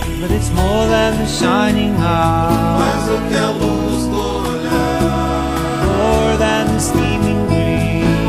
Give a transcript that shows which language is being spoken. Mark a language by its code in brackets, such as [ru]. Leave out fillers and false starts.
[en] But it's more than the shining eye. [pt] Mais do que a luz do olhar. [en] More than the steaming green.